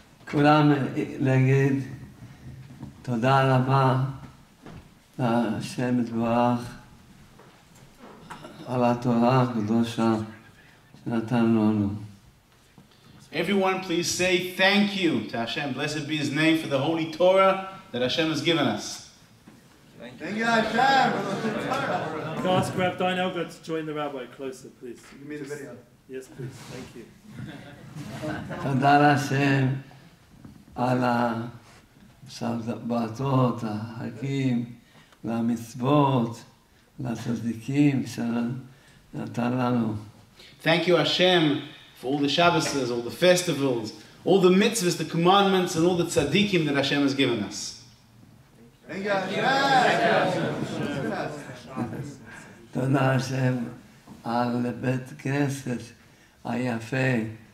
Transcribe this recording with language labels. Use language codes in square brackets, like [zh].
[he] כולם להגיד תודה רבה לשם יתברך על התורה הקדושה שנתן לנו. [en] Everyone please say thank you to Hashem, blessed be his name, for the holy Torah that Hashem has given us. Thank you Hashem for the Torah. Can I ask Rav Dine Elgar to join the rabbi closer, please? You can meet the video. Yes, please. Thank you. [he] תודה לשם על השבתות, החגים, למצוות, לצדיקים שנתן לנו. [en] Thank you Hashem for all the Shabbos, all the festivals, all the mitzvahs, the commandments, and all the tzadikim that Hashem has given us. Thank you Hashem! [he] תודה Hashem על בית כנסת היפה.